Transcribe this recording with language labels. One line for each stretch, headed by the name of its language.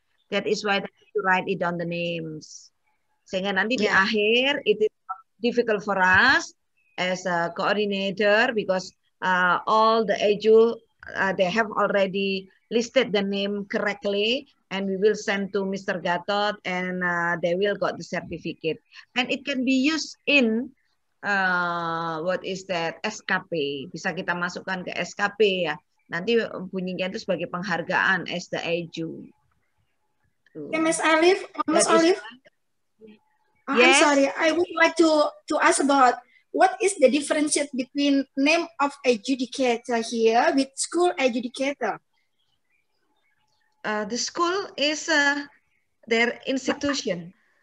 English: That is why they have to write it on the names.
Indonesian: Sehingga nanti di akhir,
English: it is difficult for us as a coordinator because all the edu, they have already listed the name correctly and we will send to Mr. Gatot and they will got the certificate. And it can be used in, what is that, SKP.
Indonesian: Bisa kita masukkan ke SKP ya. Nanti bunyinya itu sebagai penghargaan
English: as the edu. Ms. Alif, Ms. Alif. Yes. I'm sorry. I would like to ask about what is the difference between name of adjudicator here with school adjudicator? The school is their institution.